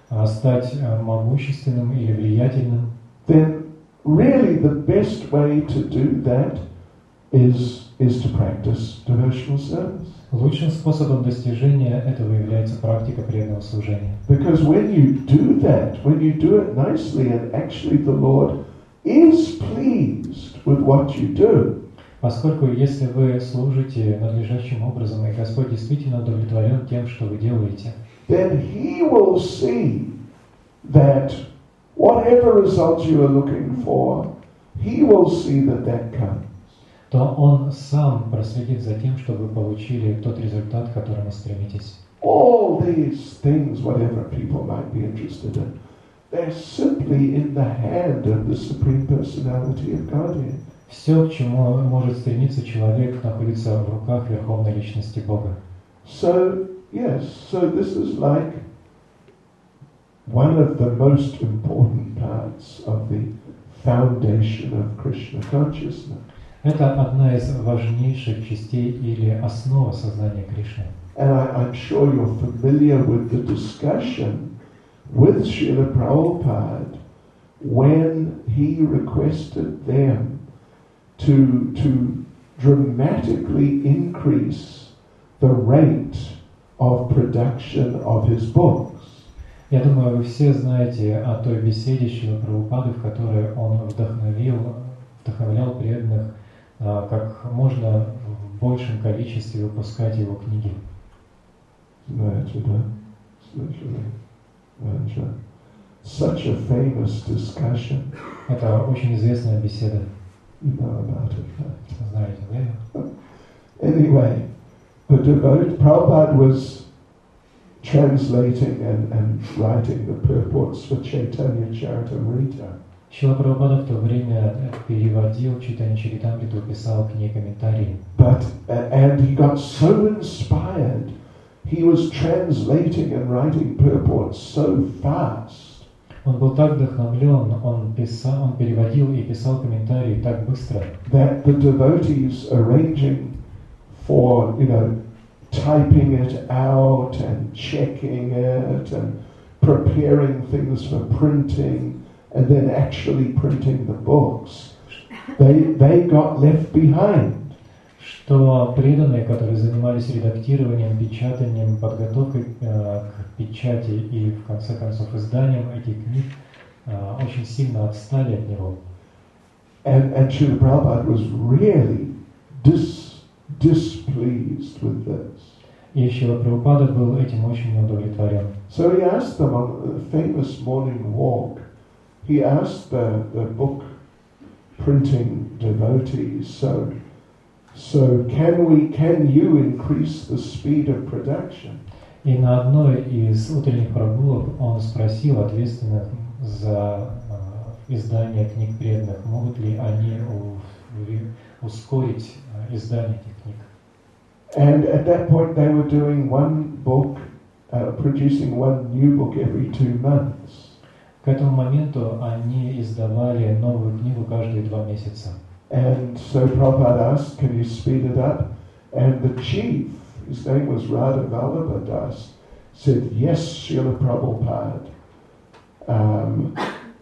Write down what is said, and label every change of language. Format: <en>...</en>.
<ru>Стать могущественным или влиятельным.</ru> <en>Then really the best way to do that is to practice devotional service.</en> <ru>Лучшим способом достижения этого является практика преданного служения.</ru> <en>Because when you do that, when you do it nicely, and actually the Lord is pleased with what you do.</en> <ru>Поскольку если вы служите надлежащим образом, и Господь действительно удовлетворен тем, что вы делаете,</ru> <en>then he will see that whatever results you are looking for, he will see that that comes.</en> <ru>То он сам проследит за тем, чтобы вы получили тот результат, к которому стремитесь.</ru> <en>All these things, whatever people might be interested in, they're simply in the hand of the Supreme Personality of Godhead.</en> <ru>Все, к чему может стремиться человек, находится в руках Верховной Личности Бога.</ru> <en>So, yes, so this is like one of the most important parts of the foundation of Krishna consciousness.</en> <ru>Это одна из важнейших частей или основа сознания Кришны.</ru> <en>And I'm sure you're familiar with the discussion with Srila Prabhupada when he requested them to dramatically increase the rate of production of his books.</en> <ru>Я думаю, вы все знаете о той беседе Шрилы Прабхупады, в которой он вдохновлял преданных, как можно в большем количестве выпускать его книги. Знаете, да? Слышали?</ru> <en>Such a famous discussion.</en> <ru>Это очень известная беседа.</ru> <en>You know about it, right?</en> <ru>Знаете, да?</ru> <en>Anyway, the devotee Prabhupada was translating and writing the purports for Chaitanya Charitamrita.</en> <ru>Шрила Прабхупада в то время переводил Чайтанья Чаритамриту, писал к ней комментарии.</ru> <en>But and he got so inspired. He was translating and writing purports so fast.</en> <ru>Он был так вдохновлен, он переводил и писал комментарии так быстро.</ru> <en>That the devotees arranging for, you know, typing it out and checking it and preparing things for printing and then actually printing the books, they got left behind.</en> <ru>что преданные, которые занимались редактированием, печатанием, подготовкой к печати и, в конце концов, изданием этих книг, очень сильно отстали от него.</ru> <en>And Srila Prabhupada was really displeased with this.</en> <ru>И Шрила Прабхупада был этим очень удовлетворен.</ru> <en>So he asked them on the famous morning walk, he asked the book printing devotees, so can you increase the speed of production?</en> <ru>И на одной из утренних прогулок он спросил ответственных за издание книг преданных, могут ли они ускорить издание этих книг.</ru> <en>And at that point they were doing one book, producing one new book every 2 months.</en> <ru>К этому моменту они издавали новую книгу каждые 2 месяца.</ru> <en>And so Prabhupada asked, can you speed it up? And the chief, his name was Radha Vallabha Das, said, yes, Srila Prabhupada.</en>